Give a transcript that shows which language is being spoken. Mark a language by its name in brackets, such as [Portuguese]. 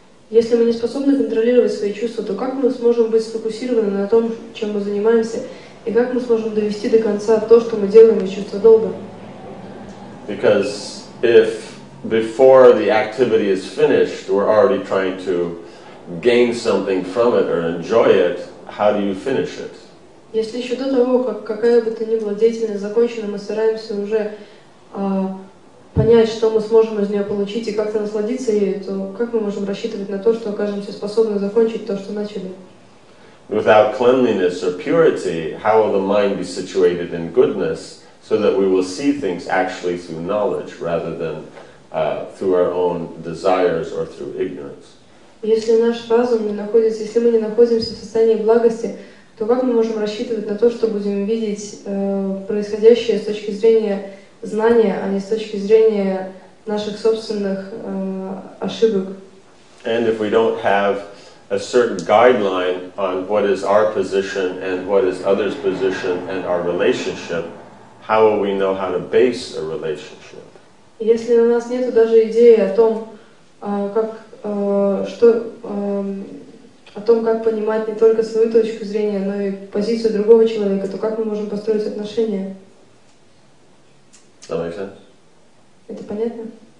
[Russian] Если мы не способны контролировать свои чувства, то как мы сможем быть сфокусированы на том, чем мы занимаемся, и как мы сможем довести до конца то, что мы делаем из чувства долга? [English] Because if before the activity is finished, we're already trying to gain something from it or enjoy it, how do you finish it? [Russian] Если еще до того, как какая бы то ни была деятельность закончена, мы стараемся уже понять, что мы сможем из нее получить и как-то насладиться ею, то как мы можем рассчитывать на то, что окажемся способны закончить то, что начали? [English] Without cleanliness or purity, how will the mind be situated in goodness so that we will see things actually through knowledge rather than through our own desires or through ignorance? [Russian] Если наш разум не находится, если мы не находимся в состоянии благости, то как мы можем рассчитывать на то, что будем видеть происходящее с точки зрения знания, а не с точки зрения наших собственных ошибок? [English] And if we don't have a certain guideline on what is our position and what is others' position and our relationship, how will we know how to base a relationship? [Russian] Если у нас нету даже идеи о том, как что о том, как понимать не только свою точку зрения, но и позицию другого человека, то как мы можем построить отношения? [English] That makes sense? [Russian] Это понятно?